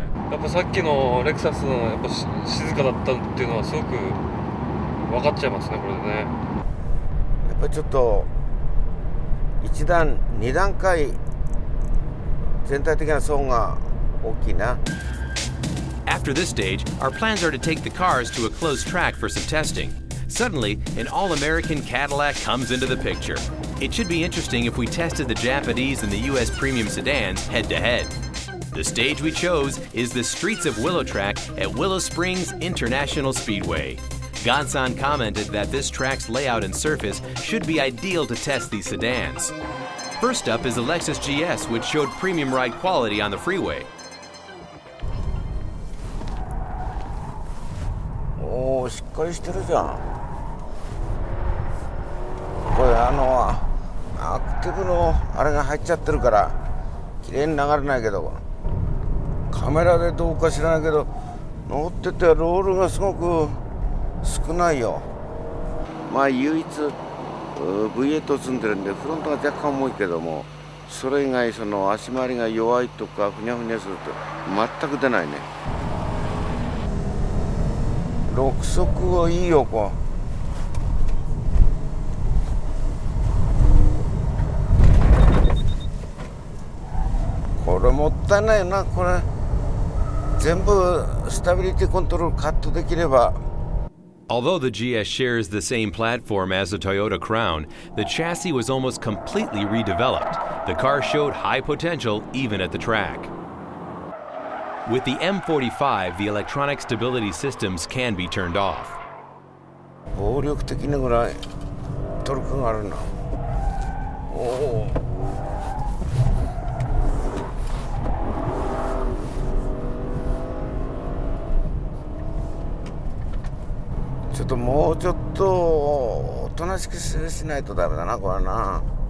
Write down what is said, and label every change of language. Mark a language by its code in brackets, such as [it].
[ja] やっぱさっきのレクサスのやっぱ静かだったっていうのはすごく分かっちゃいますね、これでね。やっぱりちょっと1段2段階全体的な層が大きいな。 [en] After this stage, our plans are to take the cars to a closed track for some testing. Suddenly, an all-American Cadillac comes into the picture. It should be interesting if we tested the Japanese and the U.S. premium sedans head-to-head. The stage we chose is the streets of Willow Track at Willow Springs International Speedway. Gansan commented that this track's layout and surface should be ideal to test these sedans. First up is the Lexus GS, which showed premium ride quality on the freeway. [ja] しっかりしてるじゃん。これ局のあれが入っちゃってるから綺麗に流れないけど、カメラでどうか知らないけど乗っててロールがすごく少ないよ。まあ唯一 V8 積んでるんでフロントが若干重いけども、それ以外その足回りが弱いとかふにゃふにゃすると全く出ないね。 6速はいいよ。こう これもったいないな。これ全部スタビリティコントロールカットできれば。 [en] Although the GS shares the same platform as the Toyota Crown, the chassis was almost completely redeveloped. The car showed high potential even at the track. With the M45, the electronic stability systems can be turned off. [ja] 暴力的なぐらいトルクがあるな。おお。ちょっともうちょっとおとなしくしないとダメだな、これな。